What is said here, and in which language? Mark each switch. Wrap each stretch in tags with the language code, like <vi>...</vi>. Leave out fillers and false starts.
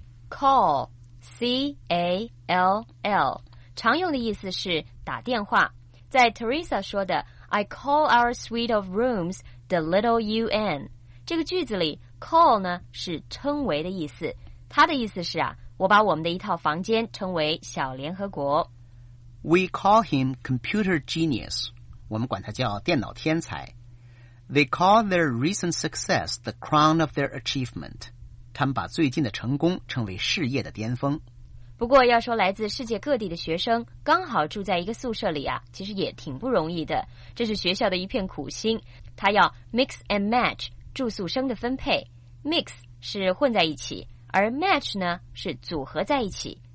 <zh>Call, C-A-L-L， 常用的意思是打电话。在 Teresa 说的</zh> <en>I call our suite of rooms the little UN</en> <zh>这个句子里， call 呢是称为的意思，它的意思是啊，我把我们的一套房间称为小联合国。</zh> <en>We call him computer genius.</en> <zh>我们管他叫电脑天才。</zh> <en>They call their recent success the crown of their achievement.</en> <zh>他们把最近的成功称为事业的巅峰。不过要说来自世界各地的学生刚好住在一个宿舍里啊，其实也挺不容易的，这是学校的一片苦心。他要 mix and match 住宿生的分配， mix 是混在一起，而 match 呢是组合在一起。</zh>